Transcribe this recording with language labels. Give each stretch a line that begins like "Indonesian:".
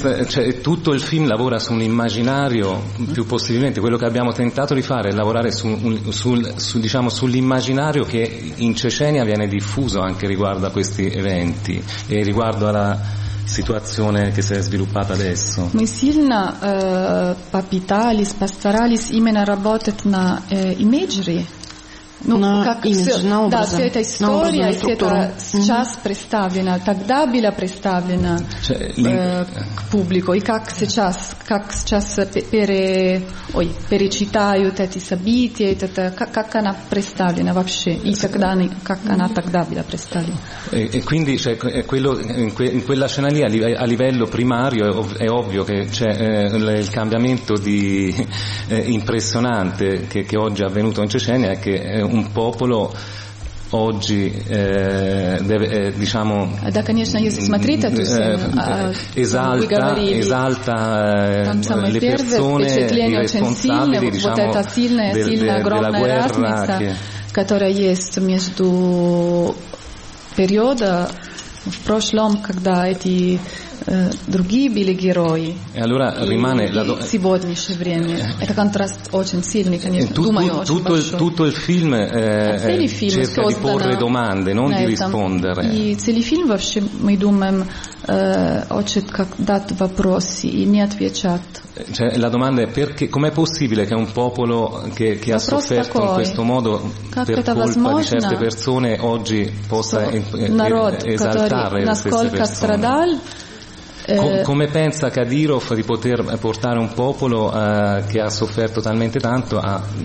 Italian: Cioè, tutto il film lavora su un immaginario più possibilmente quello che abbiamo tentato di fare è lavorare diciamo, sull'immaginario che in Cecenia viene diffuso anche riguardo a questi eventi e riguardo alla situazione che si è sviluppata adesso.
Russian: Мы сильно попытались, постарались именно работать на имиджери. Ну, на как имидж, все, на образом, да, вся эта история, вся эта сейчас представлена, тогда была представлена к публику, и как сейчас перечитают эти события, как она представлена вообще, и как она тогда была представлена.
Italian: E quindi cioè quello in quella scena lì a livello primario è ovvio che c'è il cambiamento di impressionante che oggi è avvenuto in Cecenia, che un popolo oggi deve diciamo da
Russian: конечно если смотреть эту сцену
Italian: esalta le persone responsabili diciamo
Russian: вот эта сильная огромная разница которая есть между периода в прошлом когда эти другие были герои.
Italian: И allora rimane la do... si vuole dice vreme.
Russian: Это контраст очень сильный, конечно, думаю, очень
Italian: tutto
Russian: большой.
Italian: Tutto il film cerca di porre domande, non di rispondere.
Russian: И целый фильм вообще мы думаем хочет как дать вопросы и не отвечать.
Italian: Cioè, la domanda è perché, com'è possibile che un popolo che ha sofferto in questo modo per colpa di certe persone oggi possa esaltare queste persone? Come pensa Kadyrov di poter portare un popolo che ha sofferto talmente tanto a...